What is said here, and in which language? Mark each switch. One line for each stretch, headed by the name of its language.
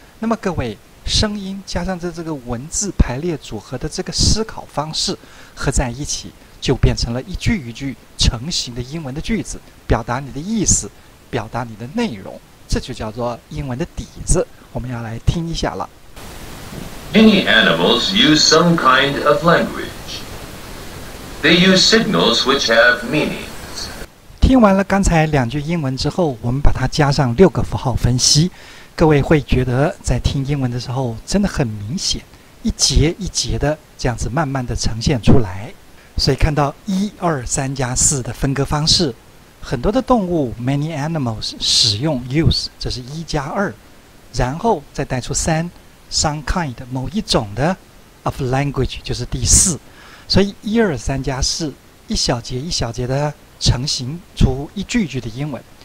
Chinese: 那么各位，声音加上这个文字排列组合的这个思考方式合在一起，就变成了一句一句成型的英文的句子，表达你的意思，表达你的内容，这就叫做英文的底子。我们要来听一下了。
English: Many animals use some kind of language. They use signals which have meanings.
Chinese: 听完了刚才两句英文之后，我们把它加上六个符号分析，各位会觉得在听英文的时候真的很明显，一节一节的这样子慢慢的呈现出来。所以看到一二三加四的分割方式，很多的动物
English: many animals
Chinese: 使用 use， 这是一加二，然后再带出三
English: some kind
Chinese: 某一种的
English: of language
Chinese: 就是第四，所以一二三加四，一小节一小节的成型出一句一句的英文。